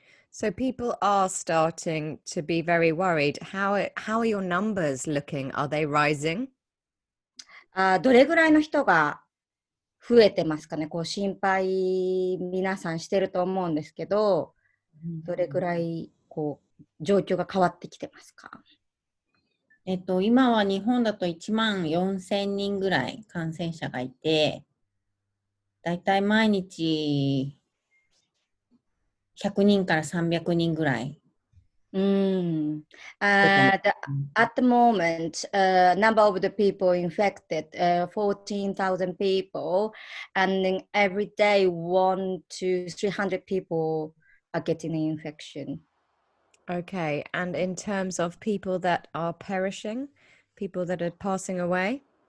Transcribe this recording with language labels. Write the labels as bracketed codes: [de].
[en] So people are starting to be very worried. How are your numbers looking? Are they rising? [ja] どれぐらいの人が増えてますかね。こう心配皆さんしてると思うんですけど、どれぐらいこう状況が変わってきてますか？今は日本だと1万4000人ぐらい感染者がいて、だいたい毎日100人から300人ぐらい。 [en] At the moment, number of the people infected, 14,000 people, and then every day 1 to 300 people are getting the infection. Okay, and in terms of people that are perishing, people that are passing away?